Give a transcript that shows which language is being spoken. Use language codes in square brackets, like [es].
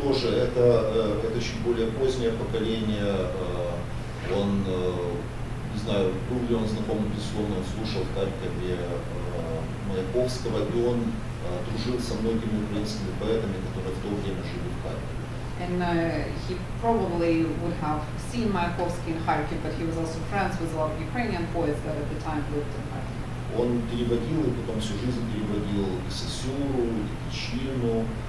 [ru] Тоже это чуть более позднее поколение. Он, не знаю, был ли он знаком, безусловно, он слушал в Харькове Маяковского, и он дружил со многими украинскими поэтами, которые в то время жили в Харькове. [en] And he probably would have seen Маяковский in Kharkiv, but he was also friends with a lot of Ukrainian poets that at the time lived in Kharkiv. [ru] Он переводил и потом всю жизнь переводил и Сосюру, и Кичину.